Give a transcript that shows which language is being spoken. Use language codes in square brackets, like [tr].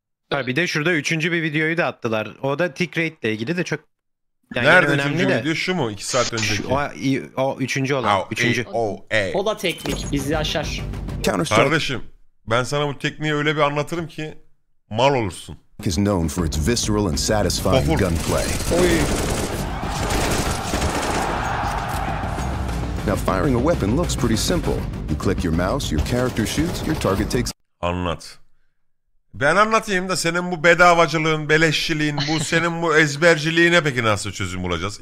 [tr] Ha, bir de şurada üçüncü bir videoyu da attılar. O da tick rate ile ilgili de çok yani. Nerede üçüncü de video? Şu mu? 2 saat önceki. O üçüncü olan. Üçüncü. O da teknik. Bizi aşar. Kardeşim, ben sana bu tekniği öyle bir anlatırım ki mal olursun. [en] Is known for its visceral and satisfying Bofur gunplay. Oy. Now firing a weapon looks pretty simple. You click your mouse, your character shoots, your target takes. [tr] Anlat. Ben anlatayım da senin bu bedavacılığın, beleşçiliğin, bu senin bu ezberciliğine peki nasıl çözüm bulacağız?